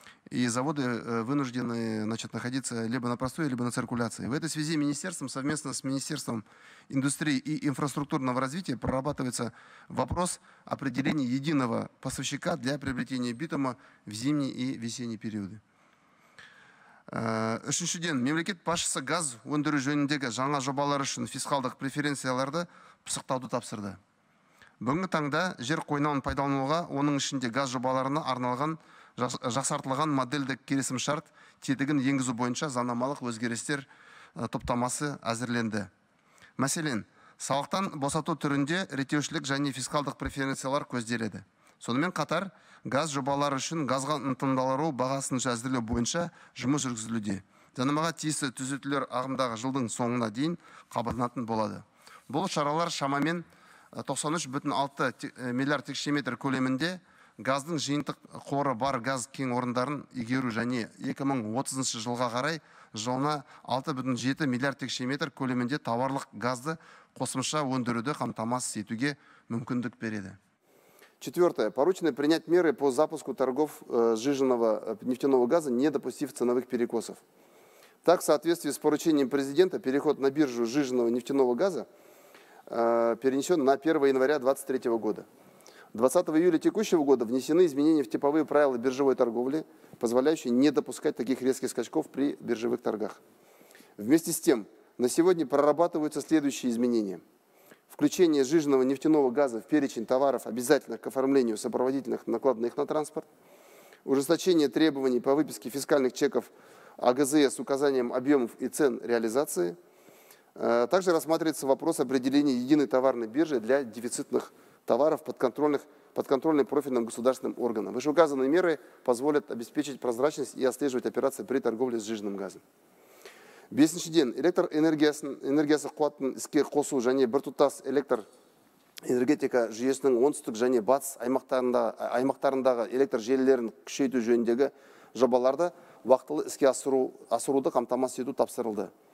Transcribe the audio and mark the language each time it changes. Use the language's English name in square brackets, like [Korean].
[Russian] И заводы вынуждены находиться либо на простое, либо на циркуляции. В этой связи министерством совместно с Министерством индустрии и инфраструктурного развития прорабатывается вопрос определения единого поставщика для приобретения битума в зимний и весенний периоды. [Kazakh] Үшіншіден, мемлекет басшысы газ өндіру жөніндегі жаңа жобалар үшін фискалдық преференцияларды пысықтауды тапсырды. Бүгінгі таңда жер қойнауын пайдалануға, оның ішінде газ жобаларына арналған жақсартылған модельдік келісімшарт тетігін енгізу бойынша заңнамалық өзгерістер топтамасы әзірленді. Мәселен, салықтан босату түрінде реттеушілік және фискалдық преференциялар көзделеді. Сонымен қатар, газ жобалары үшін газға ынтымдалдыру бағасын әзірлеу бойынша жұмыс жүргізілуде. Заңнамаға тиісті түзетулер ағымдағы жылдың соңына дейін қабылданатын болады. Бұл шаралар шамамен 93,6 миллиард текше метр көлемінде газдың жиынтық қоры бар газ кен орындарын игеру және 2030 жылға қарай жылына 6,7 миллиард текше метр көлемінде товарлық газды қосымша өндіруді қамтамасыз етуге мүмкіндік береді. [Russian] Четвертое. Поручено принять меры по запуску торгов сжиженного нефтяного газа, не допустив ценовых перекосов. Так, в соответствии с поручением президента, переход на биржу сжиженного нефтяного газа перенесен на 1 января 2023 года. 20 июля текущего года внесены изменения в типовые правила биржевой торговли, позволяющие не допускать таких резких скачков при биржевых торгах. Вместе с тем, на сегодня прорабатываются следующие изменения. Включение сжиженного нефтяного газа в перечень товаров, обязательных к оформлению сопроводительных накладных на транспорт. Ужесточение требований по выписке фискальных чеков АГЗ с указанием объемов и цен реализации. Также рассматривается вопрос определения единой товарной биржи для дефицитных товаров, подконтрольных профильным государственным органам. Вышеуказанные меры позволят обеспечить прозрачность и отслеживать операции при торговле сжиженным газом. [Kazakh] Бесіншіден, электр энергиясы қуатын іске қосу және біртұтас электр энергетика жүйесінің оңтүстік және батыс аймақтарындағы электр желілерін күшейту жөніндегі жобаларды уақытылы іске асыруды қамтамасыз ету тапсырылды.